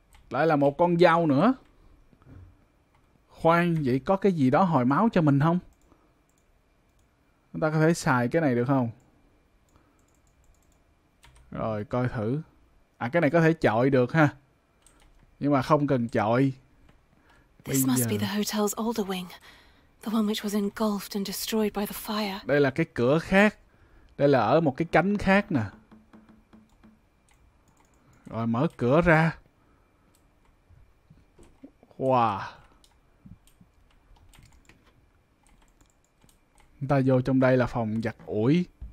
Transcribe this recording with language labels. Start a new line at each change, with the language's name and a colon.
Vietnamese: Lại là một con dao nữa. Khoan, vậy có cái gì đó hồi máu cho mình không? Chúng ta có thể xài cái này được không? Rồi coi thử. À cái này có thể chọi được ha. Nhưng mà không cần chọi.
English: This must be the hotel's older wing. The one which was engulfed and destroyed by the fire.
Vietnamese: Đây là cái cửa khác. Đây là ở một cái cánh khác nè. Rồi mở cửa ra. Wow. Chúng ta vô trong đây là phòng giặt ủi.